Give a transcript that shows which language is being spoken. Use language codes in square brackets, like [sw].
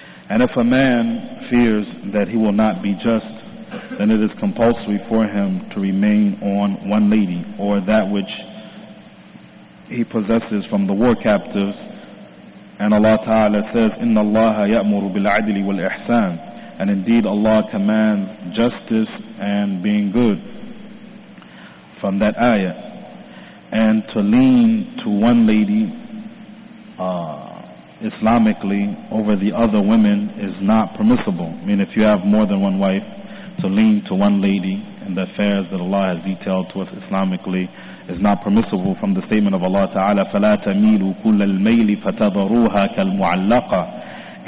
[en] And if a man fears that he will not be just, then it is compulsory for him to remain on one lady, or that which he possesses from the war captives. [ar] And Allah Ta'ala says, إِنَّ اللَّهَ يَأْمُرُ بِالْعَدْلِ وَالْإِحْسَانِ. [en] And indeed Allah commands justice and being good from that ayah. And to lean to one lady Islamically over the other women is not permissible. I mean, if you have more than one wife, to lean to one lady in the affairs that Allah has detailed to us Islamically is not permissible from the statement of Allah Ta'ala, [ar] فَلَا تَمِيلُوا كُلَّ الْمَيْلِ فَتَضَرُوهَا كَالْمُعَلَّقَةِ.